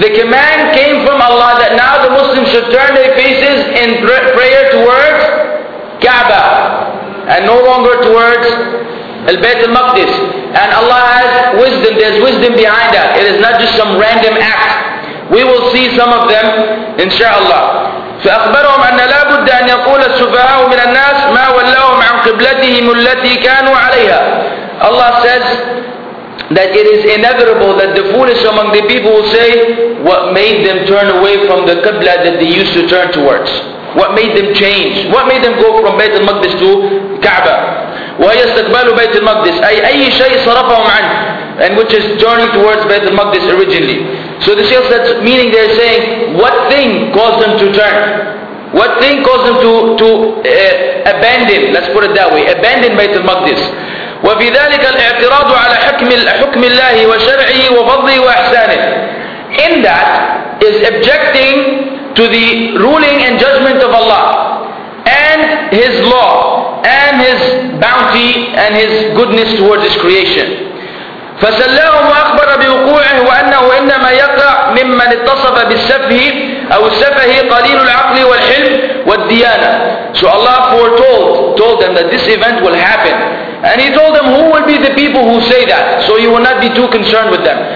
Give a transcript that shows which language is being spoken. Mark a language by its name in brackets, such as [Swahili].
[English] The command came from Allah that now the Muslims should turn their faces in prayer towards Kaaba and no longer towards Al-Bayt al-Maqdis. And Allah has wisdom, there's wisdom behind that. It is not just some random act. We will see some of them, inshaAllah. [Arabic] فأخبرهم أن لا بد أن يقول السفهاء من الناس ما ولاهم عن قبلتهم التي كانوا عليها. [English] Allah says that it is inevitable that the foolish among the people will say, what made them turn away from the Qibla that they used to turn towards? What made them change? What made them go from Bayt al-Maqdis to Kaaba? [Arabic] وَيَسْتَقْبَالُ بَيْتِ الْمَقْدِسِ أي أي شيء صرفهم عنه. [English] And which is turning towards Bayt al-Maqdis originally. So the shaykh said, meaning they're saying, what thing caused them to turn? What thing caused them to abandon, let's put it that way, abandon Bayt al-Maqdis? [Arabic] وفي ذلك الاعتراض على حكم الله وشرعه وفضله وإحسانه. [English] In that is objecting to the ruling and judgment of Allah and His law and His bounty and His goodness towards His creation. [Arabic] فسلاهم وأخبر بوقوعه وأنه إنما يقع ممن اتصف بالسفه أو السفه قليل العقل والحلم والديانة. [English] So Allah foretold them that this event will happen. And He told them, who will be the people who say that? So you will not be too concerned with them.